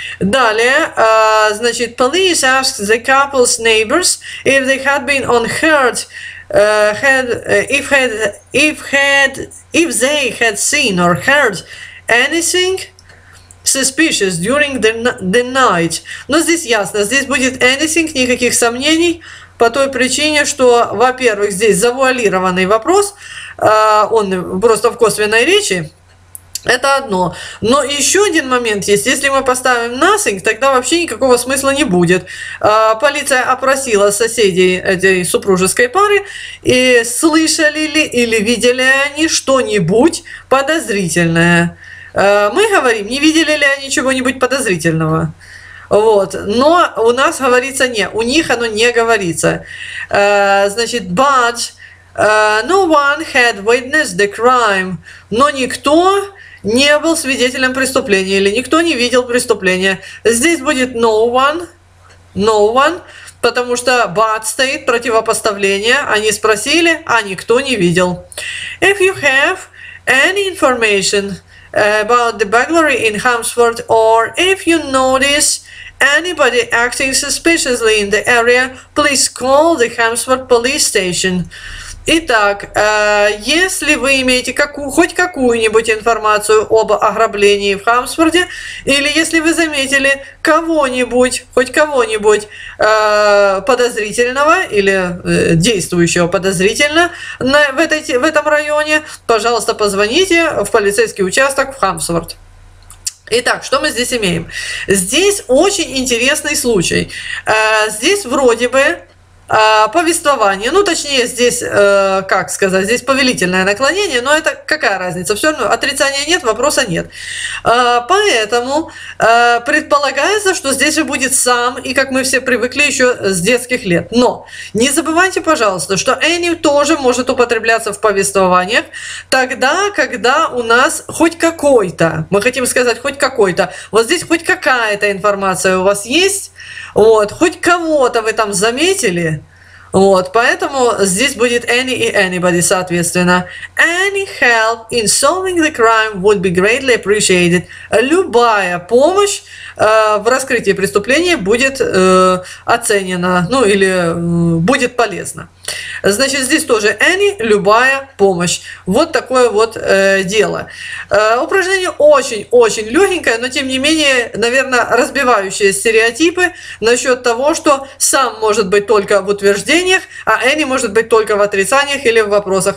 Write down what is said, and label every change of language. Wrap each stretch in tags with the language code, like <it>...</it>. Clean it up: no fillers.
<ru>Далее, значит,</ru> <en>police asked the couple's neighbors if they had been unheard, if they had seen or heard anything suspicious during the night.</en> <ru>Но здесь ясно, здесь будет anything, никаких сомнений, по той причине, что, во-первых, здесь завуалированный вопрос, он просто в косвенной речи, это одно. Но еще один момент есть, если мы поставим nothing, тогда вообще никакого смысла не будет. Полиция опросила соседей этой супружеской пары, и слышали ли или видели они что-нибудь подозрительное. Мы говорим, не видели ли они чего-нибудь подозрительного. Вот. Но у нас говорится не, у них оно не говорится. Значит,</ru> <en>but no one had witnessed the crime.</en> <ru>Но никто не был свидетелем преступления или никто не видел преступления. Здесь будет no one, no one, потому что but стоит противопоставление. Они спросили, а никто не видел.</ru> <en>If you have any information about the burglary in Hemsworth, or if you notice anybody acting suspiciously in the area, please call the Hemsworth police station.</en> <ru>Итак, если вы имеете хоть какую-нибудь информацию об ограблении в Хемсворте, или если вы заметили кого-нибудь подозрительного или действующего подозрительно в этом районе, пожалуйста, позвоните в полицейский участок в Хемсворт. Итак, что мы здесь имеем? Здесь очень интересный случай. Здесь вроде бы повествование, ну точнее здесь, как сказать, здесь повелительное наклонение, но это какая разница, все равно отрицания нет, вопроса нет. Поэтому предполагается, что здесь же будет сам, и как мы все привыкли еще с детских лет. Но не забывайте, пожалуйста, что any тоже может употребляться в повествованиях, тогда, когда у нас хоть какой-то, мы хотим сказать хоть какой-то, вот здесь хоть какая-то информация у вас есть, вот, хоть кого-то вы там заметили. Вот, поэтому здесь будет any и anybody, соответственно.</ru> <en>Any help in solving the crime would be greatly appreciated.</en> <ru>Любая помощь в раскрытии преступления будет оценена, ну или будет полезна. Значит, здесь тоже any, любая помощь. Вот такое вот дело. Упражнение очень-очень легенькое, но тем не менее, наверное, разбивающее стереотипы насчет того, что сам может быть только в утверждениях, а any может быть только в отрицаниях или в вопросах.</ru>